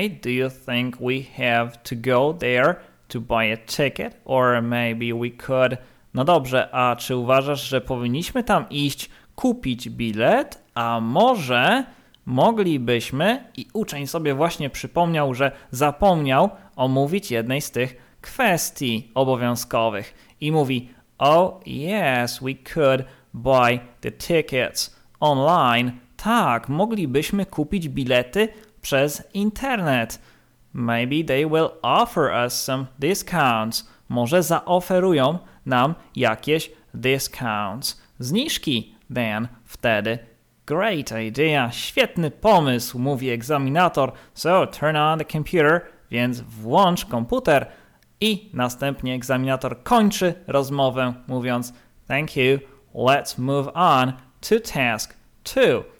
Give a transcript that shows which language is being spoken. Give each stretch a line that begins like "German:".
English: Do you think we have to go there to buy a ticket? Or maybe we could
Polish: No dobrze, a czy uważasz, że powinniśmy tam iść kupić bilet, a może moglibyśmy, i uczeń sobie właśnie przypomniał, że zapomniał omówić jednej z tych kwestii obowiązkowych i mówi,
English: oh yes, we could buy the tickets online.
Polish: Tak, moglibyśmy kupić bilety przez internet.
English: Maybe they will offer us some discounts.
Polish: Może zaoferują nam jakieś discounts. Zniżki,
English: then,
Polish: wtedy.
English: Great idea,
Polish: świetny pomysł, mówi egzaminator.
English: So, turn on the computer,
Polish: więc włącz komputer. I następnie egzaminator kończy rozmowę, mówiąc
English: thank you, let's move on to task two.